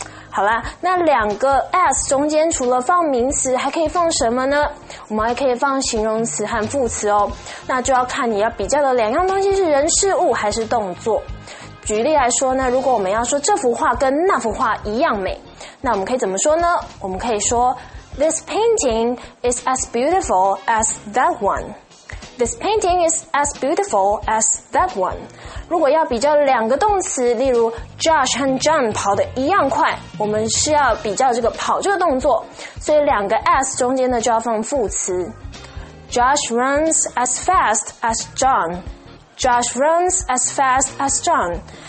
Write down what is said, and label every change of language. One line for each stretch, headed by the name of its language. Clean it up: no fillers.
Chinese: 好啦，那两个 as 中间除了放名词还可以放什么呢？我们还可以放形容词和副词哦。那就要看你要比较的两样东西是人事物还是动作。举例来说呢，如果我们要说这幅画跟那幅画一样美，那我们可以怎么说呢？我们可以说
English: This painting is as beautiful as that one. This painting is as beautiful as that one.
Chinese: 如果要比较两个动词，例如 Josh 和 John 跑得一样快，我们是要比较这个跑这个动作，所以两个 as 中间呢就要放副词。
English: Josh runs as fast as John. Josh runs as fast as John.